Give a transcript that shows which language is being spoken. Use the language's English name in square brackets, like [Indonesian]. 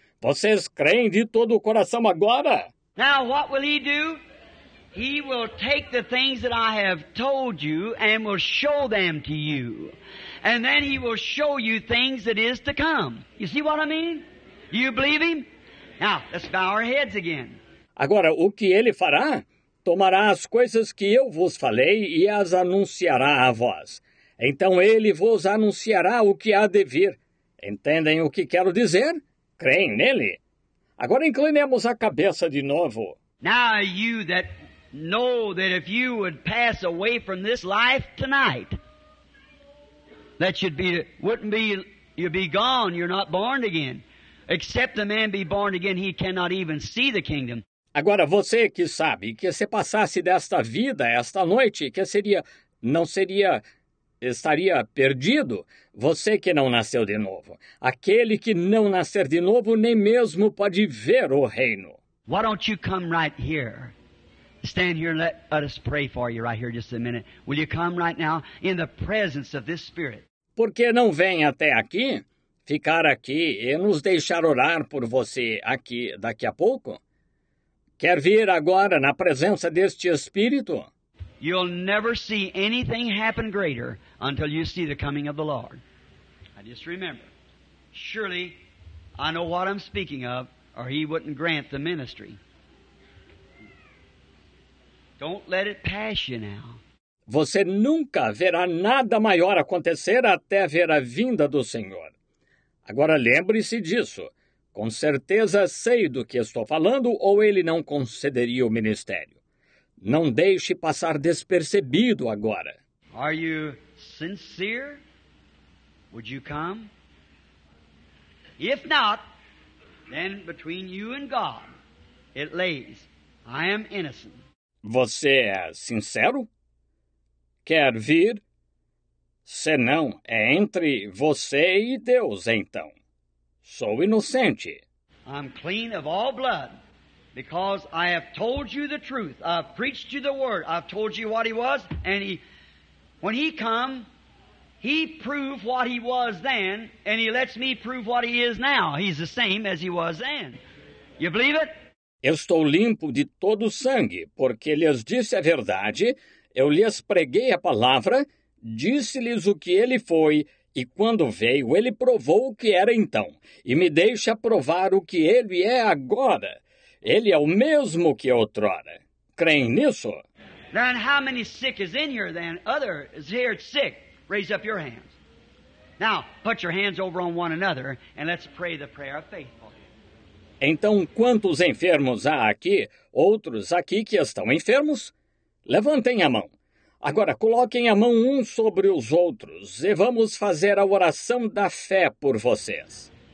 [Portuguese] Vocês creem de todo o coração agora? [English] Now, what will he do? He will take the things that I have told you and will show them to you. And then he will show you things that is to come. You see what I mean? You believe him? Now, let's bow our heads again. [Portuguese] Agora, o que ele fará? Tomará as coisas que eu vos falei e as anunciará a vós. Então ele vos anunciará o que há de vir. Entendem o que quero dizer? Creem nele? Agora inclinemos a cabeça de novo. [English] Now you that know that if you would pass away from this life tonight, that you'd be, wouldn't be, you'd be gone, you're not born again. Except the man be born again, he cannot even see the kingdom. [Portuguese] Agora, você que sabe que se passasse desta vida, esta noite, que seria, não seria, estaria perdido? Você que não nasceu de novo. Aquele que não nascer de novo nem mesmo pode ver o reino. [English] Why don't you come right here? Stand here and let us pray for you right here just a minute. Will you come right now in the presence of this Spirit? [Portuguese] Por que não vem até aqui? Ficar aqui e nos deixar orar por você aqui daqui a pouco? Quer vir agora na presença deste Espírito? [English] You'll never see anything happen greater until you see the coming of the Lord. I just remember. Surely, I know what I'm speaking of, or he wouldn't grant the ministry. Don't let it pass you now. [Portuguese] Você nunca verá nada maior acontecer até ver a vinda do Senhor. Agora lembre-se disso. Com certeza sei do que estou falando ou ele não concederia o ministério. Não deixe passar despercebido agora. [English] Are you sincere? Would you come? If not, then between you and God, it lays. I am innocent. [Portuguese] Você é sincero? Quer vir? Se não, é entre você e Deus, então. Sou inocente. [English] I'm clean of all blood, because I have told you the truth. I've preached you the word. I've told you what he was, and he, when he come, he proved what he was then, and he lets me prove what he is now. He's the same as he was then. You believe it? [Portuguese] Eu estou limpo de todo sangue, porque lhes disse a verdade, eu lhes preguei a palavra, disse-lhes o que ele foi, e quando veio, ele provou o que era então, e me deixa provar o que ele é agora. Ele é o mesmo que outrora. Creem nisso? [English] Then how many sick is in here then? Other is here sick. Raise up your hands. Now, put your hands over on one another, and let's pray the prayer of faith for you. [Portuguese] Então, quantos enfermos há aqui, outros aqui que estão enfermos? Levantem a mão. Agora, coloquem a mão uns sobre os outros e vamos fazer a oração da fé por vocês.